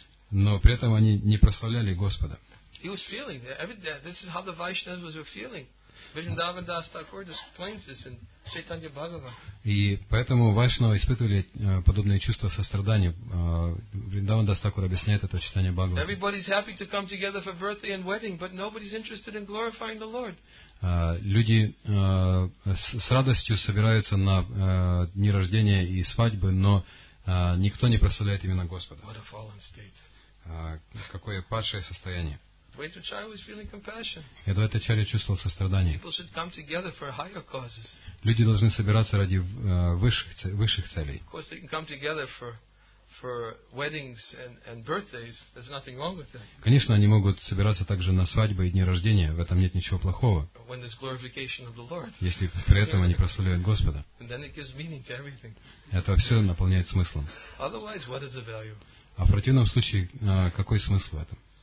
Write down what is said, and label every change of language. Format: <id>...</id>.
<ru>Но при этом они не прославляли Господа.</ru> <en>He was feeling that. This is how the Vaishnavas were feeling. Vrindavan Das Thakur explains this in Chaitanya Bhagava.</en> <ru>И поэтому Вайшнавы испытывали подобные чувства сострадания. Вриндаван Дас Такур объясняет это в Чайтанья Бхагава.</ru> <en>Everybody's happy to come together for birthday and wedding, but nobody's interested in glorifying the Lord.</en> <ru>Люди с радостью собираются на дни рождения и свадьбы, но никто не прославляет именно Господа.</ru> <en>What a fallen state.</en> <ru>Какое падшее состояние.</ru> <en>Advaita Acharya was feeling compassion.</en> <ru>Advaita Acharya чувствовал сострадание.</ru> <en>People should come together for higher causes.</en> <ru>Люди должны собираться ради высших целей.</ru> <en>Of course, they can come together for weddings and birthdays. There's nothing wrong with that.</en> <ru>Конечно, они могут собираться также на свадьбы и дни рождения. В этом нет ничего плохого.</ru> <en>When there's glorification of the Lord.</en> <ru>Если при этом они прославляют Господа.</ru> <en>And then it gives meaning to everything.</en> <ru>Это все наполняет смыслом.</ru> <en>Otherwise, what is the value?</en> <ru>А в противном случае, какой смысл в этом?</ru>